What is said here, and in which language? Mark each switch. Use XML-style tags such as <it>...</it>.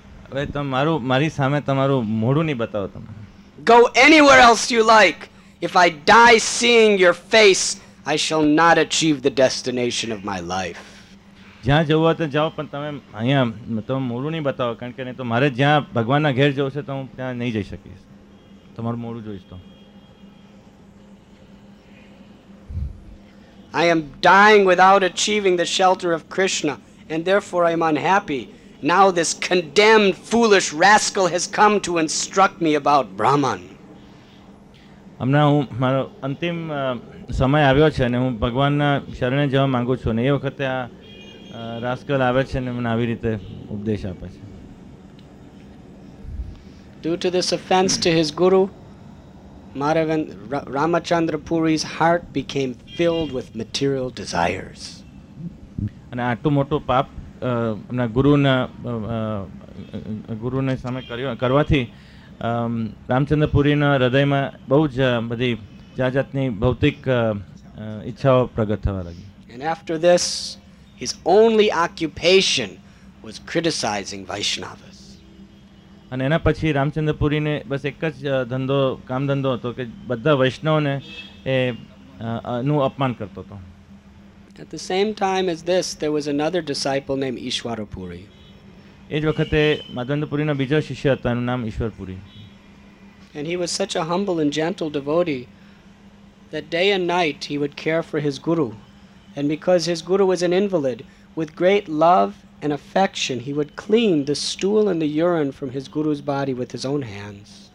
<gu>હવે તમારું મારી સામે તમારું મોઢું નહીં બતાવો તમે.</gu> <en>Go anywhere else you like. If I die seeing your face, I shall not achieve the destination of my life.</en> <gu>જ્યાં જવું હોય તો જાઓ, પણ તમે અહીંયા તમે મોઢું નહીં બતાવો, કારણ કે નહીં તો મારે જ્યાં ભગવાનના ઘેર જવું છે તો હું ત્યાં નહીં જઈ શકીશ. તમારું મોઢું જોઈશ તો.</gu> <en>I am dying without achieving the shelter of Krishna, and therefore I am unhappy. Now this condemned, foolish rascal has come to instruct me about Brahman.</en> <gu>હમણાં હું મારો અંતિમ સમય આવ્યો છે અને હું ભગવાનના શરણે જવા માંગુ છું અને એ વખતે આ રાસકલ આવે છે અને મને આવી રીતે ઉપદેશ આપે છે.</gu> <en>Due to this offense to his guru, Madhavan Ramachandrapuri's heart became filled with material desires.</en> <gu>અને આટલું મોટું પાપ એમના ગુરુના ગુરુને સામે કરવાથી રામચંદ્રપુરીના હૃદયમાં બહુ જ બધી જાત જાતની ભૌતિક ઈચ્છાઓ પ્રગટ થવા લાગી.</gu> <en>And after this, his only occupation was criticizing Vaishnavas.</en> <gu>અને એના પછી રામચંદ્રપુરીને બસ એક જ ધંધો કામધંધો હતો કે બધા વૈષ્ણવને એ નું અપમાન કરતો હતો.</gu> <en>At the same time as this, there was another disciple named Ishwarapuri.</en> <gu>એ જ વખતે માધવેન્દ્રપુરીનો બીજો શિષ્ય હતો, એનું નામ ઈશ્વરપુરી.</gu> <en>And he was such a humble and gentle devotee that day and night he would care for his guru. And because his guru was an invalid, with great love and affection, he would clean the stool and the urine from his guru's body with his own hands.</en>